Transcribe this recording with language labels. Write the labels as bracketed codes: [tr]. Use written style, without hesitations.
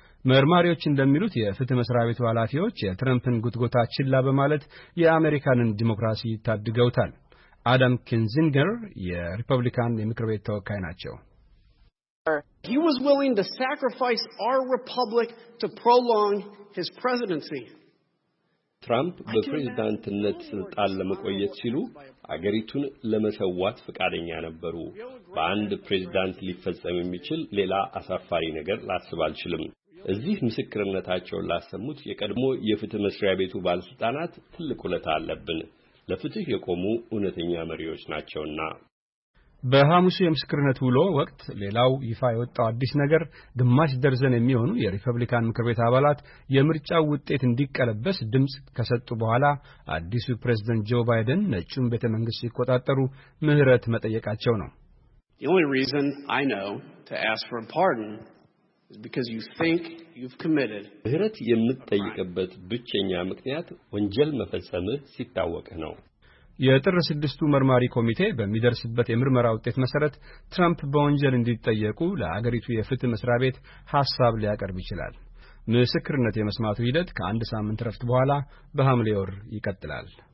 [am] መርማሪዎች እንደሚሉት የፍትህ መስሪያ ቤቱ ኃላፊዎች የትራምፕን ጉትጎታ ችላ በማለት የአሜሪካንን ዲሞክራሲ ታድገውታል። አዳም ኪንዚንገር የሪፐብሊካን የምክር ቤት ተወካይ ናቸው። [en] He was willing to sacrifice our republic to prolong his presidency. [am] ትራምፕ በፕሬዝዳንትነት ስልጣን ለመቆየት ሲሉ አገሪቱን ለመሰዋት ፈቃደኛ ነበሩ። በአንድ ፕሬዝዳንት ሊፈጸም የሚችል ሌላ አሳፋሪ ነገር ላስብ አልችልም። እዚህ ምስክርነታቸው ላሰሙት የቀድሞ የፍትህ መስሪያ ቤቱ ባለስልጣናት ትልቁ ለታ አለብን ለፍትህ የቆሙ እነተኛ መሪዎች ናቸውና። በሃሙስ የምስክርነት ውሎ ወቅት ሌላው ይፋ የወጣው አዲስ ነገር ግማሽ ደርዘን የሚሆኑ የሪፐብሊካን ምክር ቤት አባላት የምርጫው ውጤት እንዲቀለበስ ድምጽ ከሰጡ በኋላ አዲሱ ፕሬዝዳንት ጆ ባይደን ነጩን ቤተ መንግስት ሲቆጣጠሩ ምህረት መጠየቃቸው ነው። [en] The only reason I know to ask for a pardon is because you think you've committed. [am] ምህረት የምትጠይቀበት ብቸኛ ምክንያት ወንጀል መፈጸም ሲታወቅ ነው። የጥር 6ቱ መርማሪ ኮሚቴ በሚደርስበት የምርመራ ውጤት መሰረት ትራምፕ በወንጀል እንዲጠየቁ ለአገሪቱ የፍትህ መስሪያ ቤት ሐሳብ ሊያቀርብ ይችላል። ምስክርነት የመስማቱ ሂደት ከአንድ ሳምንት ረፍት በኋላ በሐምሌ ወር ይቀጥላል።